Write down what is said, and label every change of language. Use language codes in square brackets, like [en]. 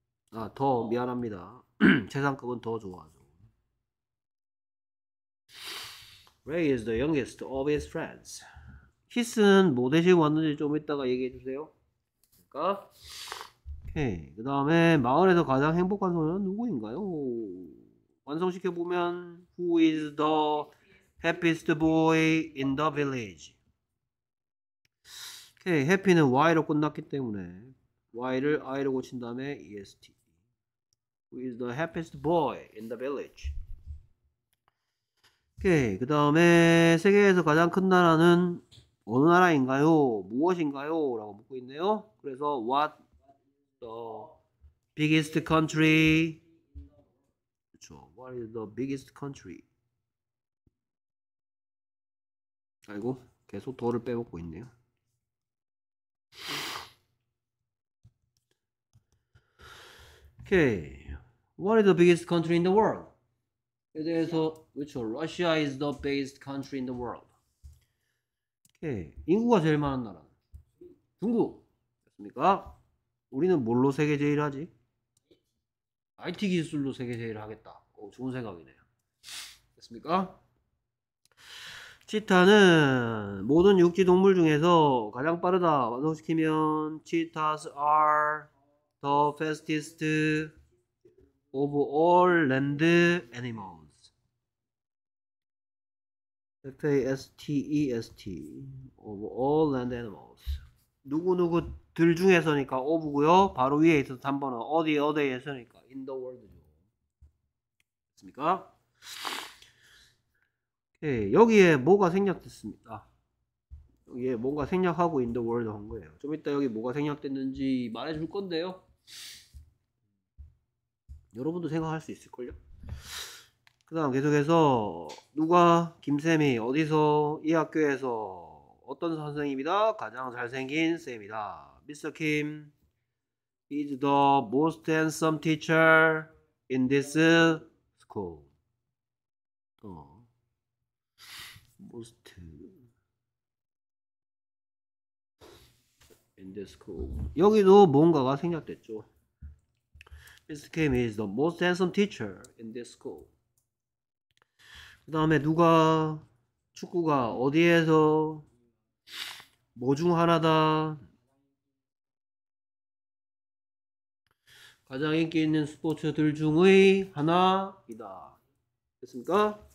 [ko] 아, 더 미안합니다. 최상급은 더 좋아하죠. [en] Ray is the youngest of his friends. [ko] His는 뭐 대신 왔는지 좀 이따가 얘기해 주세요. 그러니까. 오케이. 그 다음에 마을에서 가장 행복한 소년은 누구인가요? 완성시켜 보면 [en] Who is the happiest boy in the village? [ko] 오케이. Happy는 Y로 끝났기 때문에 Y를 I로 고친 다음에 EST. [en] Who is the happiest boy in the village? [ko] 오케이. 그 다음에 세계에서 가장 큰 나라는 어느 나라인가요? 무엇인가요? 라고 묻고 있네요. 그래서 [en] What the biggest country? [ko] 그렇죠. [en] What is the biggest country? [ko] 아이고, 계속 더를 빼먹고 있네요. 오케이. [en] What is the biggest country in the world? [ko] 에 대해서, 그렇죠. [en] Russia is the biggest country in the world. [ko] 오케이. 인구가 제일 많은 나라는 중국. 됐습니까? 우리는 뭘로 세계 제일 하지? IT 기술로 세계 제일 하겠다. 오, 좋은 생각이네요. 됐습니까? 치타는 모든 육지 동물 중에서 가장 빠르다. 완성시키면 [en] Cheetahs are the fastest of all land animals. F-A-S-T-E-S-T of all land animals. [ko] 누구누구 들 중에서니까 of고요. 바로 위에 있어서 3번은 어디 어디에서니까 [en] in the world [ko] 죠. 됐습니까? 오케이. 여기에 뭐가 생략됐습니다. 여기에 뭔가 생략하고 [en] in the world [ko] 한 거예요. 좀 이따 여기 뭐가 생략됐는지 말해줄 건데요. 여러분도 생각할 수 있을걸요? 그 다음 계속해서 누가 김쌤이 어디서 이 학교에서 어떤 선생님이다? 가장 잘생긴 쌤이다. Mr. [en] Kim is the most handsome teacher in this school. Most in this school. [ko] 여기도 뭔가가 생략됐죠. [en] Mr. Kim is the most handsome teacher in this school. [ko] 그 다음에 누가 축구가 어디에서 뭐중 하나다? 가장 인기 있는 스포츠들 중의 하나이다. 됐습니까?